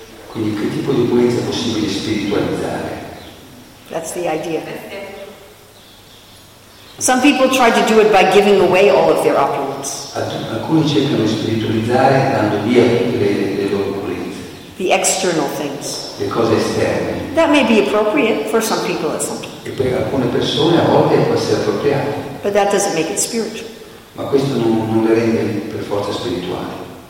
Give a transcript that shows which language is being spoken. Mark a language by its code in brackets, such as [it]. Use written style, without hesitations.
[it] Quindi che tipo di opulenza è possibile spiritualizzare? [en] That's the idea. Some people try to do it by giving away all of their opulence. [it] Alcuni cercano di spiritualizzare dando via le loro opulenze. [en] The external things. [it] Le cose esterne. [en] That may be appropriate for some people at some time. [it] E per alcune persone a volte può essere appropriato. [en] But that doesn't make it spiritual. [it] Ma questo non le rende per forza spirituali.